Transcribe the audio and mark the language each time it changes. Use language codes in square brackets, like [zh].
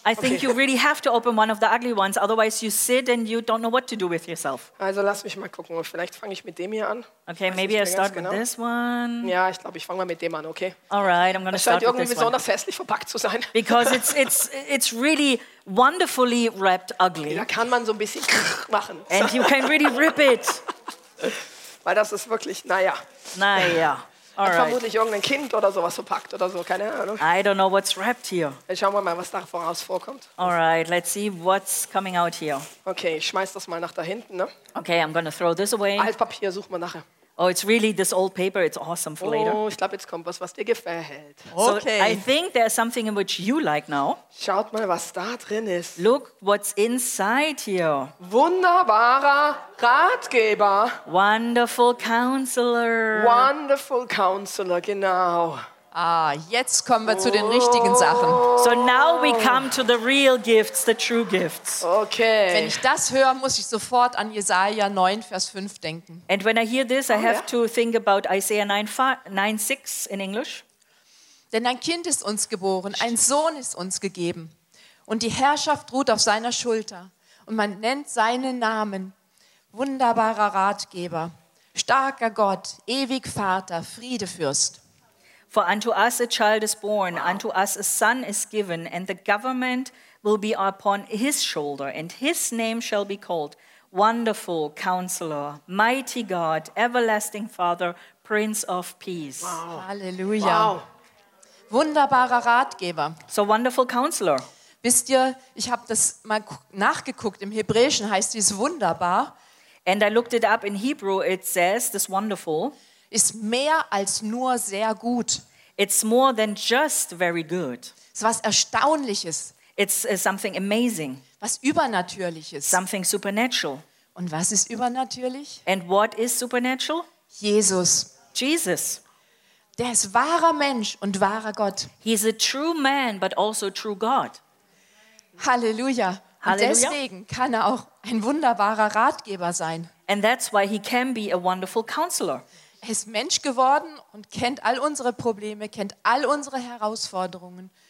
[en] I think you really have to open one of the ugly ones, otherwise you sit and you don't know what to do with yourself. [de] Also lass mich mal gucken. Vielleicht fange ich mit dem hier an. [en] Okay, maybe I start with this one. [de] Ja, ich glaube, ich fange mal mit dem an, okay? [en] All right, I'm gonna start with this one. [de] Scheint irgendwie besonders hässlich verpackt zu sein. [en] Because it's really wonderfully wrapped ugly. [de] Da kann man so ein bisschen machen. [en] And you can really rip it. [de] Weil das ist wirklich, naja. Hat vermutlich irgendein Kind oder sowas verpackt oder so, keine Ahnung. [en] I don't know what's wrapped here. [de] Dann schauen wir mal, was da voraus vorkommt. [en] All right, let's see what's coming out here. [de] Okay, ich schmeiß das mal nach da hinten, ne? [en] Okay, I'm gonna throw this away. [de] Altpapier suchen wir nachher. [en] Oh, it's really this old paper. It's awesome for later. [de] Oh, ich glaube, jetzt kommt was dir gefällt. [en] Okay. So I think there's something in which you like now. [de] Schaut mal, was da drin ist. [en] Look what's inside here. [de] Wunderbarer Ratgeber. [en] Wonderful counselor, [de] genau. Ah, jetzt kommen wir zu den richtigen Sachen. [en] So now we come to the real gifts, the true gifts. Okay. [de] Wenn ich das höre, muss ich sofort an Jesaja 9, Vers 5 denken. [en] And when I hear this, I have to think about Isaiah 9:6 in English. [de] Denn ein Kind ist uns geboren, ein Sohn ist uns gegeben. Und die Herrschaft ruht auf seiner Schulter. Und man nennt seinen Namen wunderbarer Ratgeber, starker Gott, ewig Vater, Friedefürst. [en] For unto us a child is born, unto us a son is given, and the government will be upon his shoulder, and his name shall be called Wonderful Counselor, Mighty God, Everlasting Father, Prince of Peace. [de] Wow. Halleluja. Wow. Wunderbarer Ratgeber. [en] So Wonderful Counselor. [de] Wisst ihr, ich habe das mal nachgeguckt, im Hebräischen heißt es wunderbar. [en] And I looked it up in Hebrew, it says this wonderful. [de] Ist mehr als nur sehr gut. [en] It's more than just very good. [de] Es ist was Erstaunliches. [en] It's something amazing. [de] Was Übernatürliches. [en] Something supernatural. [de] Und was ist übernatürlich? [en] And what is supernatural? [de] Jesus. [en] Jesus. [de] Der ist wahrer Mensch und wahrer Gott. [en] He's a true man, but also true God. [de] Halleluja. [en] Halleluja. [de] Und deswegen kann er auch ein wunderbarer Ratgeber sein. [en] And that's why he can be a wonderful counselor. [de] Er ist Mensch geworden und kennt all unsere Probleme, kennt all unsere Herausforderungen.